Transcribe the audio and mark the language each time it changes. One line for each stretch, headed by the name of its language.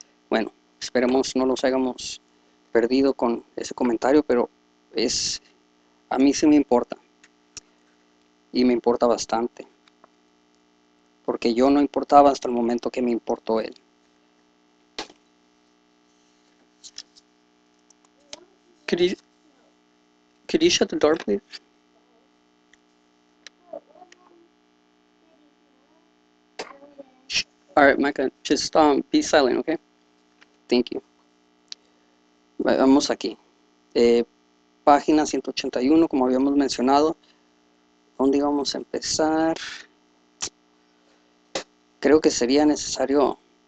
Spanish: Bueno, esperemos no los hayamos perdido con ese comentario, pero a mí sí me importa. Y me importa bastante, porque yo no importaba hasta el momento que me importó él.
English: Could you shut the door, please? All right, Micah, just be silent, okay? Thank you.
Spanish: Vamos aquí. Página 181, como habíamos mencionado. ¿Dónde vamos a empezar? Creo que sería necesario.